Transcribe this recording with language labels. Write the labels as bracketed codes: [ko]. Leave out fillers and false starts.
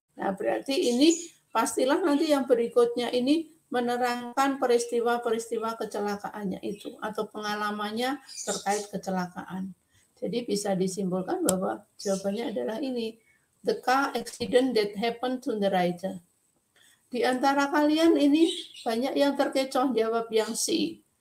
[id] Nah, berarti ini pastilah nanti yang berikutnya ini menerangkan peristiwa-peristiwa kecelakaannya itu atau pengalamannya terkait kecelakaan. Jadi bisa disimpulkan bahwa jawabannya adalah ini. [en] The car accident that happened to the rider. [id] Di antara kalian ini banyak yang terkecoh jawab yang C.